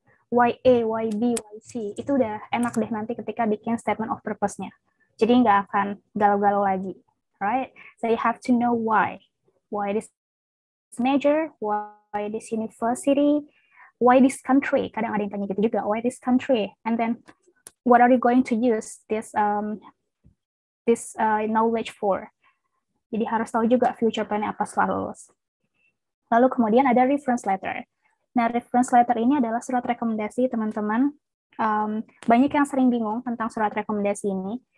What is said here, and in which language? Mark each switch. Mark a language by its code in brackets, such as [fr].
[id] Y A, Y B, Y C, itu udah enak deh nanti ketika bikin statement of purpose-nya. Jadi nggak akan galau-galau lagi, [en] right? So you have to know why. Why this major? Why this university? Why this country? [id] Kadang ada yang tanya gitu juga, [en] why this country? And then, what are you going to use this knowledge for? [id] Jadi harus tahu juga future plan apa setelah lulus. Lalu kemudian ada reference letter. Nah, reference letter ini adalah surat rekomendasi, teman-teman. Banyak yang sering bingung tentang surat rekomendasi ini.